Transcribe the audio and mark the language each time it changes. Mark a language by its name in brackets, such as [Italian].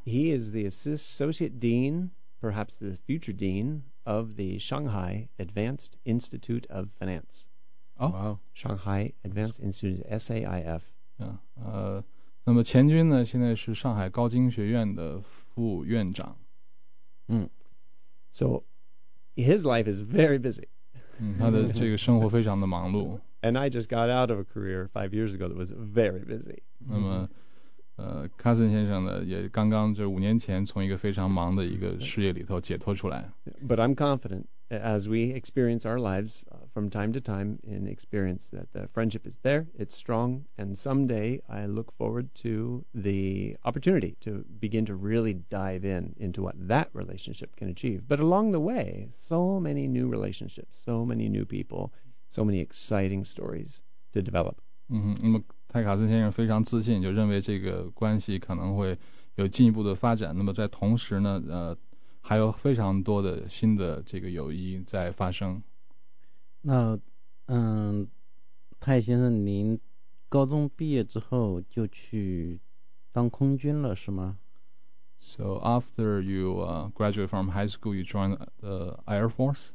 [English] He is the associate dean, perhaps the future dean of the Shanghai Advanced Institute of Finance. Oh， wow， Shanghai Advanced Institute SAIF。 [Chinese] 那么千军呢，现在是上海高经学院的副院长。 [English] So his life is very busy. [Chinese] 他的这个生活非常的忙碌。 [English] And I just got out of a career 5 years ago that was very busy. [Chinese] 那么，Cousin 先生呢，也刚刚就是五年前从一个非常忙的一个事业里头解脱出来。 [English] But I'm confident, as we experience our lives from time to time in experience, that the friendship is there, it's strong, and someday I look forward to the opportunity to begin to really dive into what that relationship can achieve. But along the way, so many new relationships, so many new people, so many exciting stories to develop. [Chinese] 泰卡森先生非常自信，就认为这个关系可能会有进一步的发展，那么在同时呢还有非常多的新的这个友谊在发生。那泰先生，您高中毕业之后就去当空军了是吗？ [English] So after you graduate from high school, you joined the Air Force?